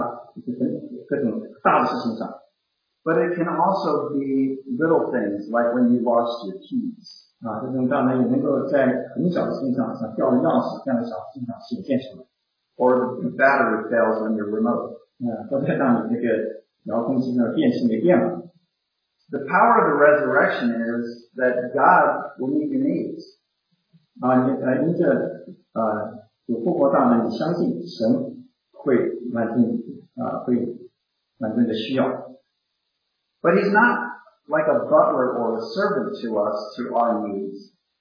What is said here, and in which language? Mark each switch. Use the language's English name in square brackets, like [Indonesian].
[Chinese] 这种大能可能体现在我们的生了病的医治啊，各种大的事情上。 [English] But it can also be little things like when you lost your keys. [Chinese] 这种大能也能够在很小的事情上，像掉了钥匙这样的小事情上显现出来。 [English] Or the battery fails on your remote. [Chinese] 都在当你那个。 [English] The power of the resurrection is that God will meet your needs. [Chinese] 你凭着有复活大能，你相信神会满足你的需要。 [English] But he's not like a butler or a servant to us to our needs.